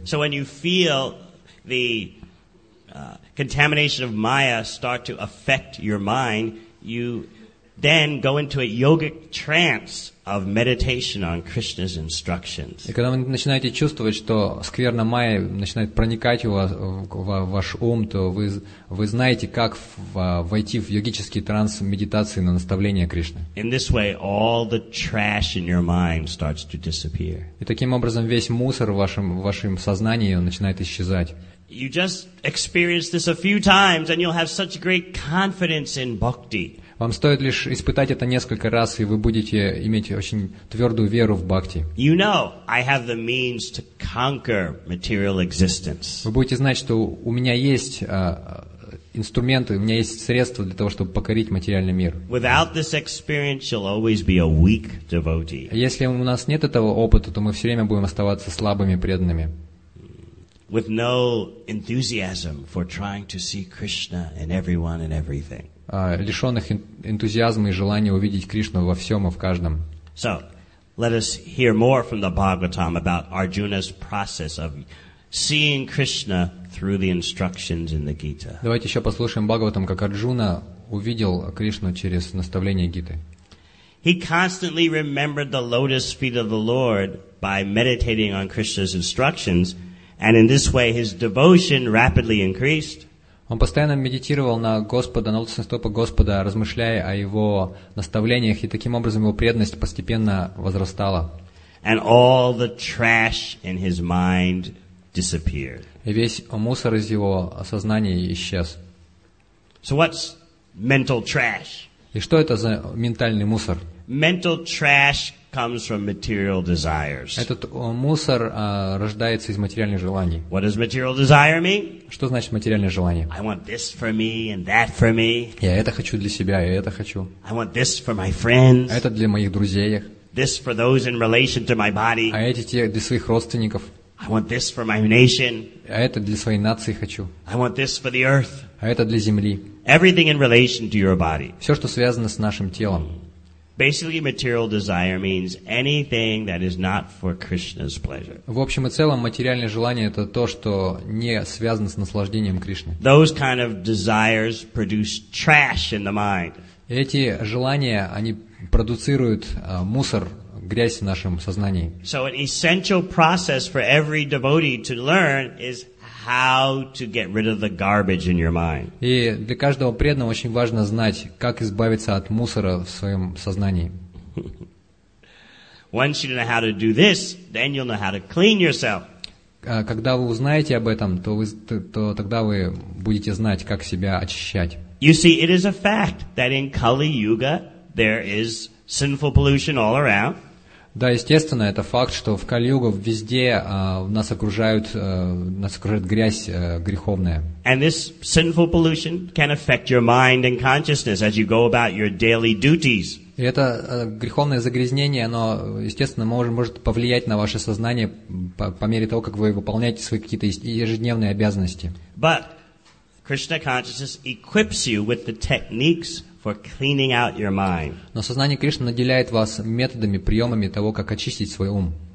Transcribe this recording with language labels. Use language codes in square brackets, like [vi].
[en] So when you feel the contamination of Maya start to affect your mind, you then go into a yogic trance of meditation on Krishna's instructions. [ru] И когда вы начинаете чувствовать, что скверна Майя начинает проникать в ваш ум, то вы знаете, как войти в йогический транс медитации на наставления Кришны. [en] In this way, all the trash in your mind starts to disappear. [ru] И таким образом весь мусор в вашем сознании начинает исчезать. [en] You just experience this a few times, and you'll have such great confidence in bhakti. [ru] Вам стоит лишь испытать это несколько раз, и вы будете иметь очень твердую веру в бхакти. [en] You know, I have the means to conquer material existence. [ru] Вы будете знать, что у меня есть инструменты, у меня есть средства для того, чтобы покорить материальный мир. [en] Without this experience, you'll always be a weak devotee. [ru] Если у нас нет этого опыта, то мы все время будем оставаться слабыми преданными. [en] With no enthusiasm for trying to see Krishna in everyone and everything. [ru] Лишенных энтузиазма и желания увидеть Кришну во всем и в каждом. [en] So, let us hear more from the Bhagavatam about Arjuna's process of seeing Krishna through the instructions in the Gita. [ru] Давайте еще послушаем Бхагаватам, как Арджуна увидел Кришну через наставление Гиты. [en] He constantly remembered the lotus feet of the Lord by meditating on Krishna's instructions, and in this way his devotion rapidly increased. [ru] Он постоянно медитировал на Господа, на лотосные стопы Господа, размышляя о Его наставлениях, и таким образом его преданность постепенно возрастала. [en] And all the trash in his mind disappeared. [ru] И весь мусор из его сознания исчез. [en] So what's mental trash? [ru] И что это за ментальный мусор? [en] Mental trash comes from material desires. [ru] Этот мусор рождается из материальных желаний. [en] What does material desire mean? [ru] Что значит материальное желание? [en] I want this for me and that for me. [ru] Я это хочу для себя, я это хочу. [en] I want this for my friends. [ru] Это для моих друзей. [en] This for those in relation to my body. [ru] А эти для своих родственников. [en] I want this for my nation. [ru] А это для своей нации хочу. [en] I want this for the earth. [ru] А это для земли. [en] Everything in relation to your body. [ru] Все, что связано с нашим телом. [en] Basically, material desire means anything that is not for Krishna's pleasure. [ru] В общем и целом, материальное желание — это то, что не связано с наслаждением Кришны. [en] Those kind of desires produce trash in the mind. [ru] Эти желания, они продуцируют мусор, грязь в нашем сознании. [en] So an essential process for every devotee to learn is how to get rid of the garbage in your mind. [ru] И для каждого преданного очень важно знать, как избавиться от мусора в своем сознании. [en] Once you know how to do this, then you'll know how to clean yourself. [ru] Когда вы узнаете об этом, то тогда вы будете знать, как себя очищать. [en] You see, it is a fact that in Kali Yuga there is sinful pollution all around. [ru] Да, естественно, это факт, что в Кали-Югу везде нас окружает грязь греховная. [en] And this sinful pollution can affect your mind and consciousness as you go about your daily duties. [ru] И это греховное загрязнение, оно, естественно, может повлиять на ваше сознание по мере того, как вы выполняете свои какие-то ежедневные обязанности. [en] But Krishna consciousness equips you with the techniques for cleaning out your mind. [ru] Но сознание Кришны наделяет вас методами, приемами того, как очистить свой ум.